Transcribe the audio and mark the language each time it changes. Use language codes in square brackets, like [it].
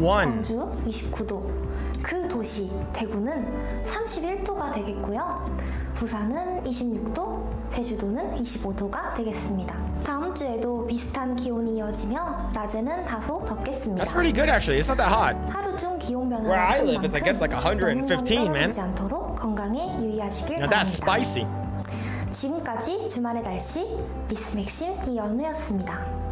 [ko] 광주 29도. 그 도시 대구는 31도가 되겠고요. 부산은 26도, 제주도는 25도가 되겠습니다. 다음 주에도 비슷한 기온이 이어지며 낮에는 다소 덥겠습니다. [en] That's pretty good actually. It's not that hot. [ko] 하루 중 기온 변화 [en] Where I live is I guess like 115, man. [ko] 너무 더워지지 건강에 유의하시길 바랍니다. [en] That's spicy. [ko] 지금까지 주말의 날씨 미스 맥심 이연우였습니다.